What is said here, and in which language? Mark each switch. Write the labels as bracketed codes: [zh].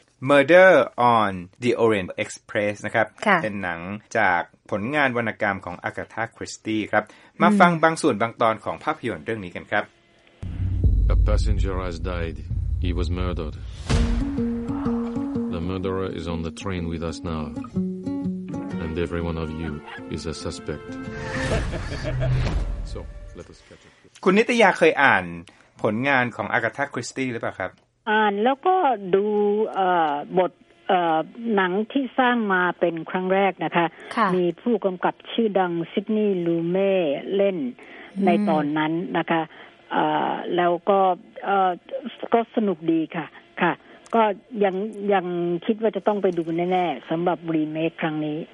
[th] Murder on the Orient Express นะครับ ค่ะ เป็นหนังจากผลงานวรรณกรรมของอากาธาคริสตี้ครับมาฟังบางส่วนบางตอนของภาพยนตร์เรื่องนี้กันครับ [en] A passenger has died. He was murdered. The murderer is on the train with us now. And every one of you is a suspect. So, let us catch up. [th] คุณนิตยาเคยอ่านผลงานของอากาธาคริสตี้หรือเปล่าครับ อ่านแล้วก็ดูบทหนังที่สร้างมาเป็นครั้งแรกนะคะ มีผู้กำกับชื่อดังซิดนีย์ลูเม่เล่น ในตอนนั้นนะคะแล้วก็ก็สนุกดีค่ะค่ะก็ยังคิดว่าจะต้องไปดูแน่ๆสำหรับรีเมคครั้งนี